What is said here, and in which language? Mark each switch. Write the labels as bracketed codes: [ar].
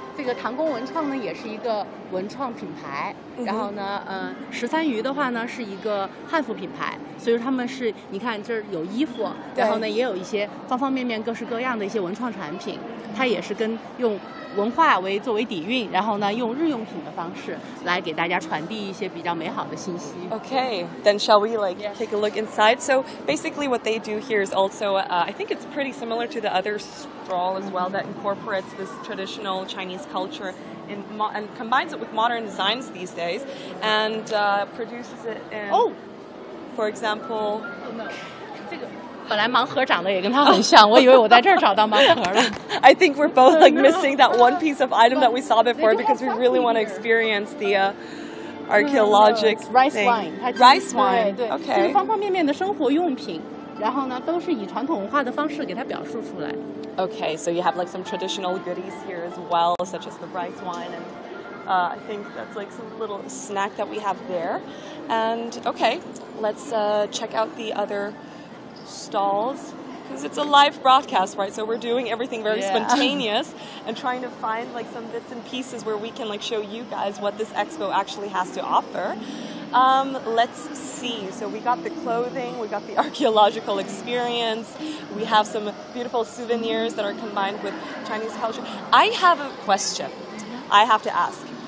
[zh] 这个唐宫文创呢也是一个文创品牌。然后呢十三余的话呢是一个汉服品牌。所以他们是你看这儿有衣服然后呢也有一些方方面面各式各样的一些文创产品。它也是跟用文化为作为底蕴然后呢用日用品的方式来给大家传递一些比较美好的信息。 [en] Okay, then shall we like take a look inside? So basically what they do here is also, I think it's pretty similar to the other stroll as well that incorporates this traditional Chinese culture and combines it with modern designs these days and produces it in, for example... [zh] 本来盲盒长得也跟它很像，我以为我在这儿找到盲盒了。 [en] I think we're both like missing that one piece of item that we saw before because we really want to experience the archaeological rice wine. Okay. [zh] 就是方方面面的生活用品，然后呢，都是以传统文化的方式给它表述出来。 [en] Okay, so you have like some traditional goodies here as well, such as the rice wine, and I think that's like some little snack that we have there. And okay, let's check out the other stalls because it's a live broadcast right so we're doing everything very spontaneous and trying to find like some bits and pieces where we can like show you guys what this expo actually has to offer let's see so we got the clothing we got the archaeological experience we have some beautiful souvenirs that are combined with Chinese culture I have a question I have to ask